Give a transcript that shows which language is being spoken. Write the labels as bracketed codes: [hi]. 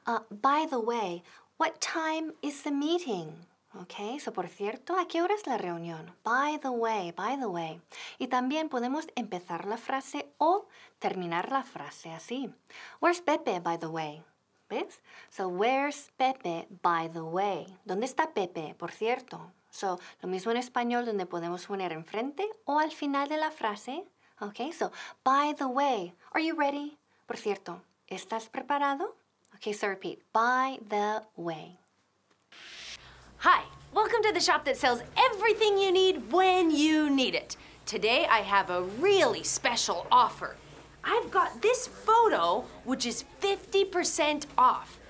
[en] By the way, what time is the meeting? Okay, so [es] por cierto, ¿a qué hora es la reunión? [en] By the way. [es] Y también podemos empezar la frase o terminar la frase así. [en] Where's Pepe, by the way? [es] ¿Ves? [en] So where's Pepe, by the way? [es] ¿Dónde está Pepe, por cierto? So lo mismo en español, donde podemos poner enfrente o al final de la frase. [en] Okay, so by the way, are you ready? [es] Por cierto. ¿Estás preparado? [en] Okay, so repeat. By the way. Hi, welcome to the shop that sells everything you need when you need it. Today I have a really special offer. I've got this photo, which is 50% off.